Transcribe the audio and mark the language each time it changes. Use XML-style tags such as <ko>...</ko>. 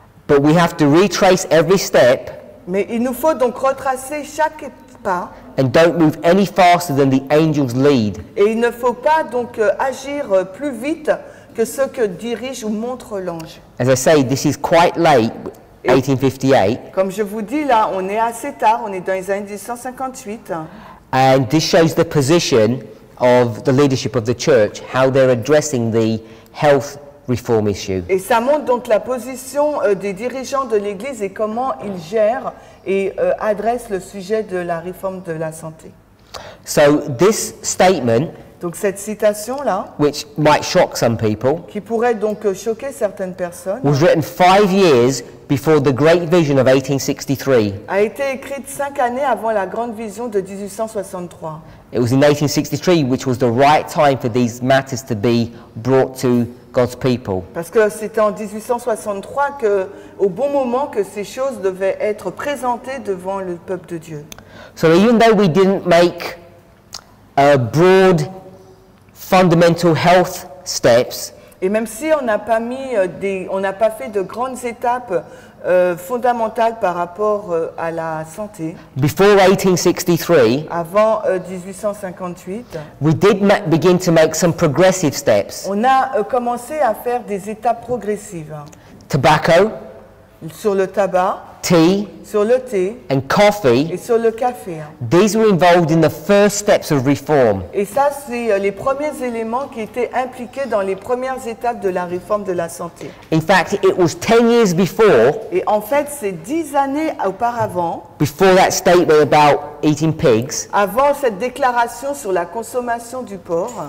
<en>But we have to retrace every step.</en> <fr>Mais il nous faut donc retracer chaque pas.</fr> <en>And don't move any faster than the angels lead.</en> <fr>Et il ne faut pas donc agir plus vite que ce que dirige ou montre l'ange.</fr> <en>As I say, this is quite late, 1858.</en> <fr>Comme je vous dis là, on est assez tard, on est dans les années 1858.</fr> <en>And this shows the position of the leadership of the church, how they're addressing the health reform issue.</en> <fr>Et ça montre donc la position des dirigeants de l'église et comment ils gèrent et adressent le sujet de la réforme de la santé.</fr> <en>So this statement,</en> <fr>donc cette citation là,</fr> <en>which might shock some people,</en> <fr>qui pourrait donc choquer certaines personnes,</fr> <en>was written 5 years before the great vision of 1863.</en> <fr>A été écrite 5 années avant la grande vision de 1863.</fr> <en>It was in 1863, which was the right time for these matters to be brought to God's people.</en> <fr>Parce que c'était en 1863 que, au bon moment, que ces choses devaient être présentées devant le peuple de Dieu.</fr> <en>So even though we didn't make a broad fundamental health steps,</en> <fr>et même si on n'a pas mis des, on n'a pas fait de grandes étapes fondamentales par rapport à la santé.</fr> <en>Before 1863.</en> <fr>Avant 1858.</fr> <en>We did begin to make some progressive steps.</en> <fr>On a commencé à faire des étapes progressives.</fr> <en>Tobacco.</en> <fr>Sur le tabac.</fr> <en>Tea.</en> <fr>Sur le thé.</fr> <en>And coffee.</en> <fr>Et sur le café.</fr> <en>These were involved in the first steps of reform.</en> <fr>Et ça, c'est les premiers éléments qui étaient impliqués dans les premières étapes de la réforme de la santé.</fr> <en>In fact, it was 10 years before.</en> <fr>Et en fait, c'est 10 années auparavant.</fr> <en>Before that statement about eating pigs.</en> <fr>Avant cette déclaration sur la consommation du porc.</fr>